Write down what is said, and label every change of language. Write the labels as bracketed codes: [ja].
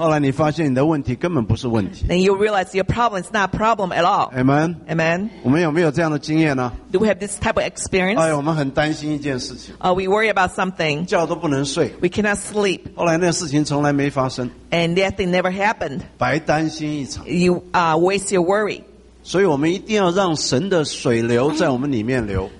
[zh] 后来你发现你的问题根本不是问题。 [en] Then you realize your problem is not a problem at all. Amen. Amen. [zh] 我们有没有这样的经验呢？ [en] Do we have this type of experience? [zh] 哎，我们很担心一件事情。 [en] We worry about something. [zh] 觉都不能睡。 [en] We cannot sleep. [zh] 后来那事情从来没发生。 [en] And that thing never happened. [zh] 白担心一场。 [en] You waste your worry. [zh] 所以我们一定要让神的水流在我们里面流。